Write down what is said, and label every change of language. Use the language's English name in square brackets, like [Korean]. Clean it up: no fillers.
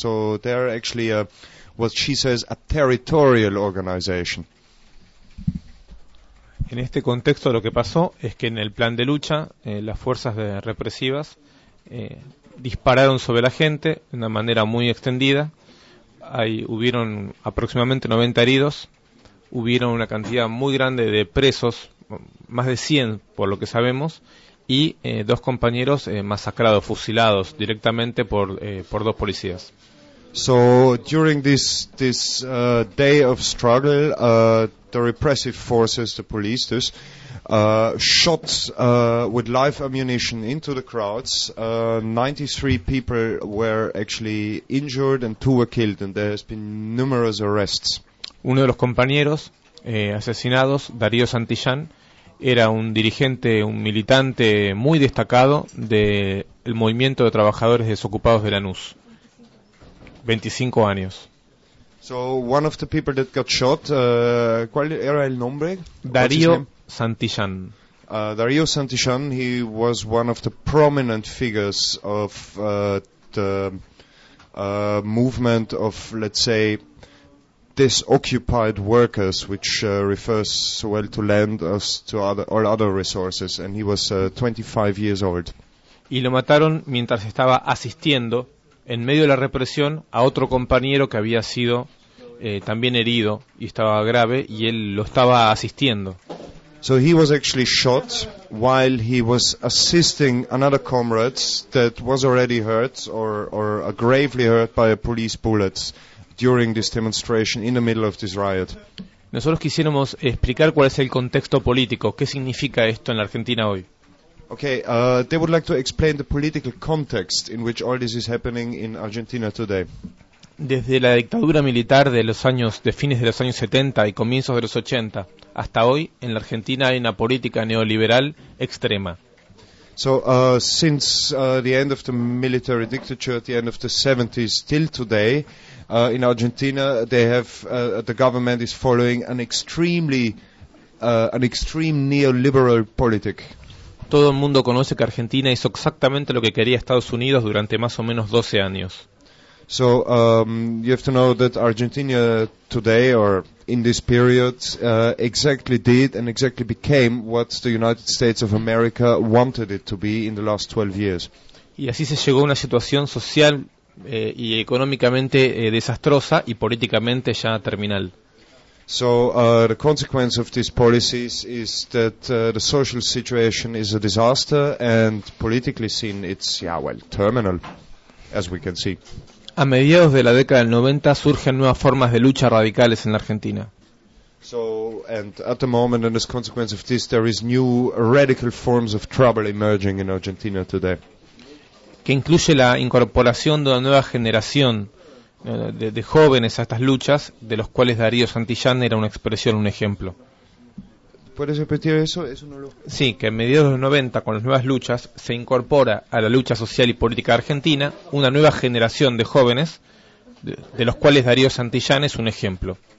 [English] So they're actually what she says a territorial organization. [Spanish] En este contexto lo que pasó es que en el plan de lucha las fuerzas represivas dispararon sobre la gente de una manera muy extendida. Hubieron aproximadamente 90 heridos, hubieron una cantidad muy grande de presos, más de 100 por lo que sabemos, y dos compañeros masacrados, fusilados directamente por dos policías. [English] So during this day of struggle, the repressive forces, the police, shot with live ammunition into the crowds. 93 people were actually injured and 2 were killed, and there has been numerous arrests. [Spanish] Uno de los compañeros asesinados, Darío Santillán, era un dirigente, un militante muy destacado del movimiento de trabajadores desocupados de Lanús. 25 años. [English] So one of the people that got shot, [Spanish] ¿cuál era el nombre? Darío Santillán. [English] Darío Santillán, he was one of the prominent figures of the movement of, let's say, disoccupied workers, which refers so well to land as to all other resources, and he was 25 years old. [Spanish] Y lo mataron mientras estaba asistiendo en medio de la represión a otro compañero que había sido también herido y estaba grave, y él lo estaba asistiendo. [English] So he was actually shot while he was assisting another comrade that was already hurt or gravely hurt by a police bullet during this demonstration in the middle of this riot. [Spanish] Nosotros quisiéramos explicar cuál es el contexto político, qué significa esto en la Argentina hoy. [English] Okay, they would like to explain the political context in which all this is happening in Argentina today. [Spanish] Desde la dictadura militar de fines de los años 70 y comienzos de los 80 hasta hoy, en la Argentina hay una política neoliberal extrema. [English] So since the end of the military dictature at the end of the 70s till today, in Argentina they have the government is following an extreme neoliberal politic. [Spanish] Todo el mundo conoce que Argentina hizo exactamente lo que quería Estados Unidos durante más o menos 12 años. [English] So you have to know that Argentina today or in this period exactly did and exactly became what the United States of America wanted it to be in the last 12 years. [Spanish] Y así se llegó a una situación social y económicamente desastrosa y políticamente ya terminal. [English] So the consequence of these policies is that the social situation is a disaster, and politically seen it's, yeah, well, terminal, as we can see. [Spanish] A mediados de la década del 90 surgen nuevas formas de lucha radicales en la Argentina. [English] So, and at the moment, and as a consequence of this, there is new radical forms of trouble emerging in Argentina today. [Spanish] Que incluye la incorporación de una nueva generación de jóvenes a estas luchas, de los cuales Darío Santillán era una expresión, un ejemplo. ¿Puedes repetir eso? Eso no lo... Sí, que en mediados de los 90, con las nuevas luchas, se incorpora a la lucha social y política argentina una nueva generación de jóvenes, de los cuales Darío Santillán es un ejemplo.